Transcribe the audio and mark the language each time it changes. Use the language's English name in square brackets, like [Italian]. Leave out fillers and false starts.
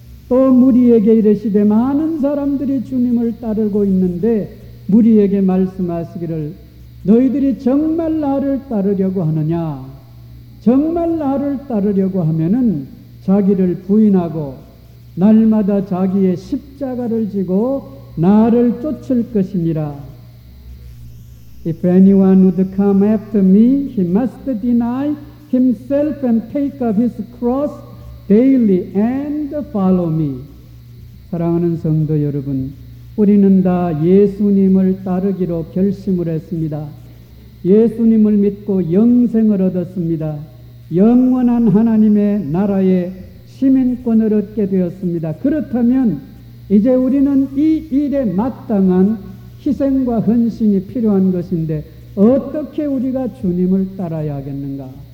[Korean] 또 무리에게 이르시되 많은 사람들이 주님을 따르고 있는데 무리에게 말씀하시기를 너희들이 정말 나를 따르려고 하느냐? 정말 나를 따르려고 하면은 자기를 부인하고 날마다 자기의 십자가를 지고 나를 쫓을 것입니다. [English] If anyone would come after me, he must deny himself and take up his cross daily and follow me. [Korean] 사랑하는 성도 여러분, 우리는 다 예수님을 따르기로 결심을 했습니다. 예수님을 믿고 영생을 얻었습니다. 영원한 하나님의 나라의 시민권을 얻게 되었습니다. 그렇다면 이제 우리는 이 일에 마땅한 희생과 헌신이 필요한 것인데 어떻게 우리가 주님을 따라야 하겠는가?